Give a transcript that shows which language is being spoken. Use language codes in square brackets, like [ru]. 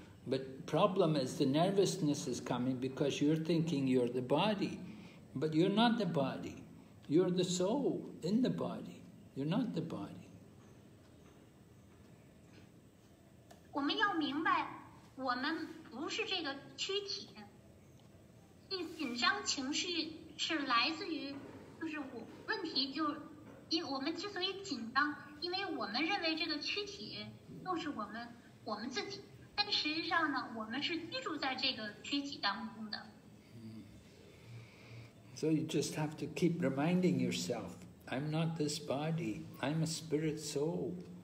[en] But problem is the nervousness is coming because you're thinking you're the body. But you're not the body. You're the soul in the body. You're not the body. [zh] 我们要明白，我们不是这个躯体，这紧张情绪是来自于，就是我问题就，因我们之所以紧张，因为我们认为这个躯体就是我们自己，但实际上呢，我们是居住在这个躯体当中的。 [en] So you just have to keep reminding yourself, I'm not this body, I'm a spirit soul.